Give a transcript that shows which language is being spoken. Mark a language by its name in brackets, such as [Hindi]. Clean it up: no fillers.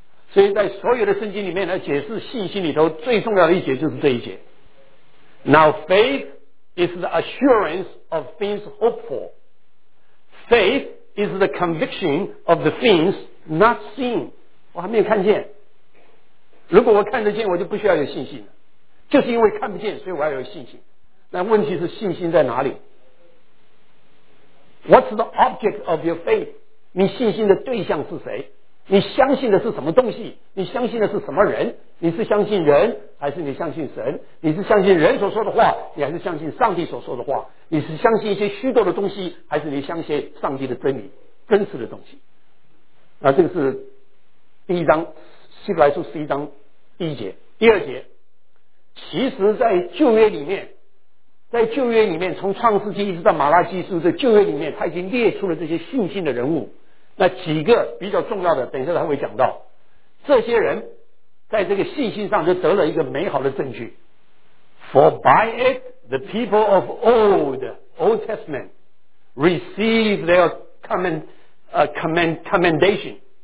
[Chinese] 所以在所有的圣经里面呢，解释信心里头最重要的一节就是这一节。 [English] Now faith is the assurance of things hoped for. Faith is the conviction of the things not seen. [Chinese] 我还没有看见。如果我看得见，我就不需要有信心了。就是因为看不见，所以我要有信心。那问题是信心在哪里？ [English] What's the object of your faith? [Chinese] 你信心的对象是谁？你相信的是什么东西？你相信的是什么人？你是相信人还是你相信神？你是相信人所说的话，你还是相信上帝所说的话？你是相信一些虚构的东西，还是你相信上帝的真理，真实的东西？那这个是第一章，希伯来书十一章第一节。第二节，其实在旧约里面，在旧约里面，从创世纪一直到马拉基书，在旧约里面他已经列出了这些信心的人物，那几个比较重要的，等一下他会讲到，这些人在这个信心上就得了一个美好的证据。 [English] For by it the people of Old Testament received their commendation.